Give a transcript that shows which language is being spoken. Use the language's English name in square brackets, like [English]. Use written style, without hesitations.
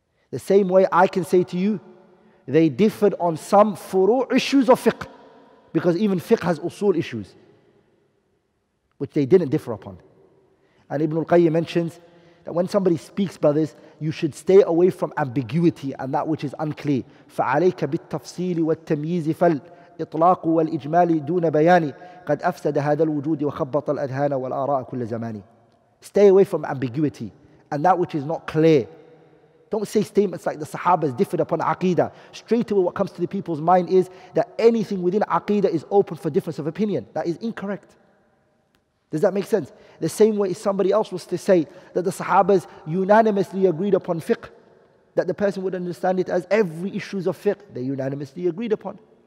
[English] The same way I can say to you, they differed on some furu' issues of fiqh. Because even fiqh has usul issues, which they didn't differ upon. And Ibn al-Qayyim mentions, when somebody speaks, brothers, you should stay away from ambiguity and that which is unclear. [Arabic] فَعَلَيْكَ بِالتَّفْصِيلِ وَالتَّمْيِيزِ فَالْإِطْلَاقُ وَالْإِجْمَالِ دُونَ بَيَانِ قَدْ أَفْسَدَ هَذَا الْوُجُودِ وَخَبَّطَ الْأَذْهَانَ وَالْآرَاءَ كُلَّ زَمَانِ. [English] Stay away from ambiguity and that which is not clear. Don't say statements like the Sahaba's differed upon aqeedah. Straight away what comes to the people's mind is that anything within aqeedah is open for difference of opinion. That is incorrect. Does that make sense? The same way somebody else was to say that the Sahaba's unanimously agreed upon fiqh, that the person would understand it as every issues of fiqh, they unanimously agreed upon.